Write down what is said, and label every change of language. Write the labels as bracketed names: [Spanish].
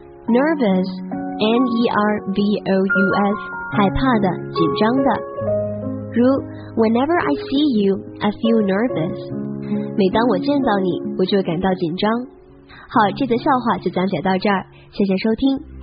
[Chinese] Nervous N-E-R-V-O-U-S 害怕的，紧张的。如 [English] Whenever I see you I feel nervous， [Chinese] 每当我见到你我就感到紧张。好，这则笑话就讲解到这儿，谢谢收听。